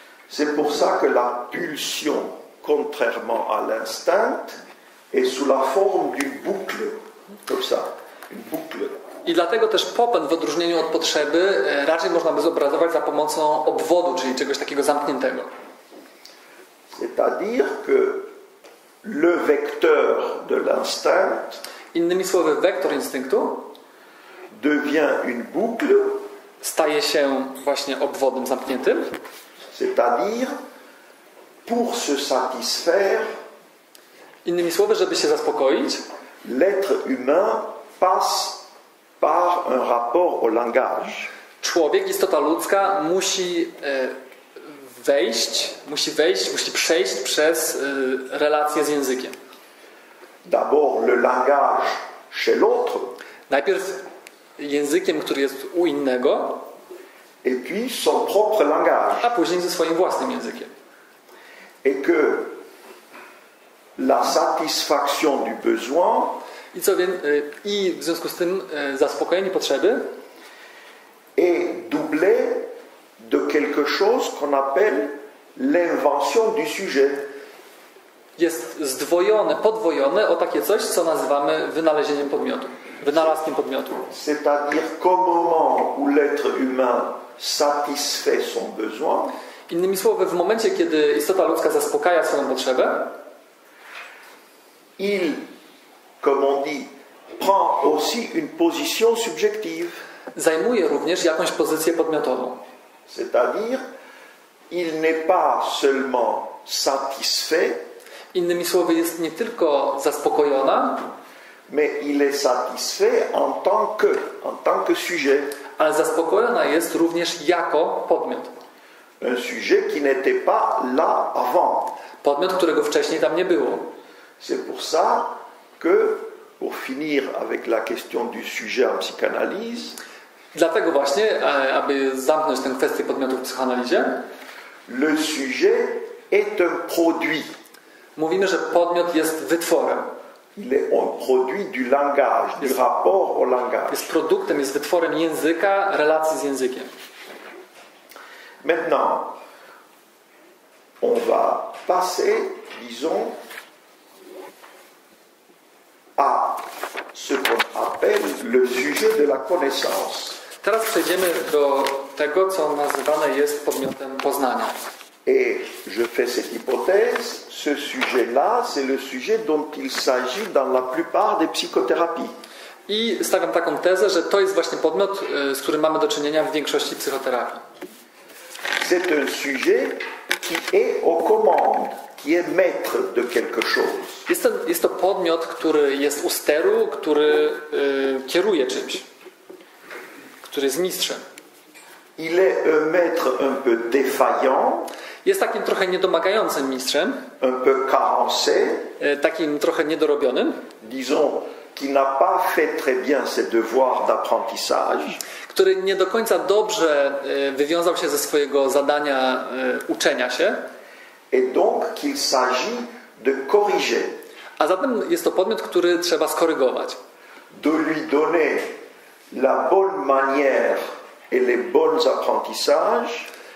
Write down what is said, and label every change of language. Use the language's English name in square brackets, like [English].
[French] C'est pour ça que la pulsion, contrairement à l'instinct, est sous la forme d'une boucle. Comme ça, une boucle. [Polish] I dlatego też popęd w odróżnieniu od potrzeby raczej można by zobrazować za pomocą obwodu, czyli czegoś takiego zamkniętego. [French] C'est-à-dire que le vecteur de l'instinct, [Polish] innymi słowy, wektor instynktu [French] devient une boucle, [Polish] staje się właśnie obwodem zamkniętym. [French] C'est-à-dire pour se satisfaire, [Polish] innymi słowy, żeby się zaspokoić, [French] l'être humain passe par un rapport au langage. [Polish] Człowiek, istota ludzka, musi wejść, musi przejść przez relację z językiem. [French] D'abord le langage chez l'autre. [Polish] Najpierw językiem, który jest u innego. [French] Et puis son propre langage. [Polish] A później ze swoim własnym językiem. [French] Et que la satisfaction du besoin. [Polish] I co wiem, i w związku z tym zaspokojenie potrzeby [French] est doublé de quelque chose qu'on appelle l'invention du sujet. [Polish] Jest zdwojone, podwojone o takie coś, co nazywamy wynalezieniem podmiotu, wynalazkiem podmiotu. [French] C'est-à-dire qu'au moment où l'être humain satisfait son besoin, [Polish] innymi słowy, w momencie, kiedy istota ludzka zaspokaja swoją potrzebę, [French] il, comme on dit, prend aussi une position subjective. [Polish] Zajmuje również jakąś pozycję podmiotową. [French] C'est-à-dire, il n'est pas seulement satisfait. [Polish] Innymi słowy, jest nie tylko zaspokojona, [French] mais il est satisfait en tant que sujet. [Polish] Ale zaspokojona jest również jako podmiot. [French] Un sujet qui n'était pas là avant. [Polish] Podmiot, którego wcześniej tam nie było. [French] C'est pour ça que, pour finir avec la question du sujet en psychanalyse, [Polish] dlatego właśnie, aby zamknąć tę kwestię podmiotu w psychoanalizie, [French] le sujet est un produit. [Polish] Mówimy, że podmiot jest wytworem. [French] Il est un produit du langage, du rapport au langage. [Polish] Jest produktem, jest wytworem języka, relacji z językiem. [French] Maintenant, on va passer, disons, à ce qu'on appelle le sujet de la connaissance. [Polish] Teraz przejdziemy do tego, co nazywane jest podmiotem poznania. [French] Et je fais cette hypothèse, ce sujet-là, c'est le sujet dont il s'agit dans la plupart des psychothérapies. [Polish] I stawiam taką tezę, że to jest właśnie podmiot, z którym mamy do czynienia w większości psychoterapii. [French] C'est un sujet qui est aux commandes, qui est maître de quelque chose. [Polish] Jest to podmiot, który jest u steru, który kieruje czymś, który jest mistrzem. [French] Il est un maître un peu défaillant. [Polish] Jest takim trochę niedomagającym mistrzem. [French] Un peu carencé. [Polish] Takim trochę niedorobionym. [French] Disons, qui n'a pas fait très bien ses devoirs d'apprentissage. [Polish] Który nie do końca dobrze wywiązał się ze swojego zadania uczenia się. [French] Et donc qu'il s'agit de corriger. [Polish] A zatem jest to podmiot, który trzeba skorygować. [French] De lui donner la bonne manière et les bons apprentissages.